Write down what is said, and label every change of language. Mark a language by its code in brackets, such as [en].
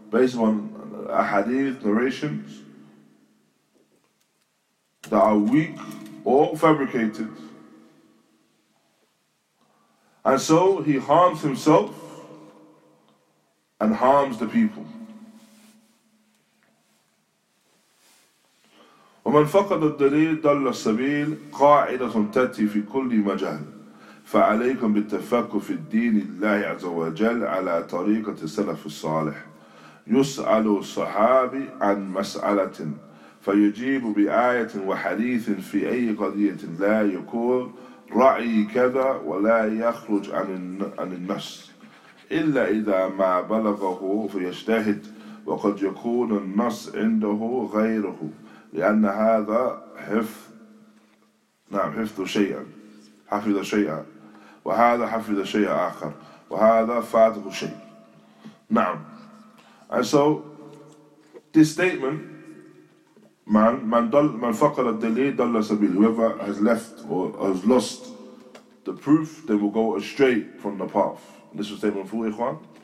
[en] Based on a hadith, narrations that are weak or fabricated. And so he harms himself and harms the people. [ar] وَمَنْ فَقَدَ الدَّلِيلِ دَلَّ السَّبِيلِ قَاعِدَةٌ تَتِي فِي كُلِّ مَجَالٍ فَعَلَيْكُمْ بِالتَّفَكُّ فِي الدِّينِ اللَّهِ عَزَ وَجَلْ عَلَى طَرِيقَةِ السَّلَفِ الصَّالِحِ يسأل الصحابي عن مسألة فيجيب بآية وحديث في أي قضية لا يقول رأي كذا ولا يخرج عن النص إلا إذا ما بلغه فيجتهد وقد يكون النص عنده غيره لأن هذا حفظ شيئا وهذا حفظ شيئا آخر وهذا فاته شيء. [en] Now, and so this statement, [ar] man faqara ad-dalil dalla sabil, [en] whoever has left or has lost the proof, they will go astray from the path. This was statement 4, Ikhwan.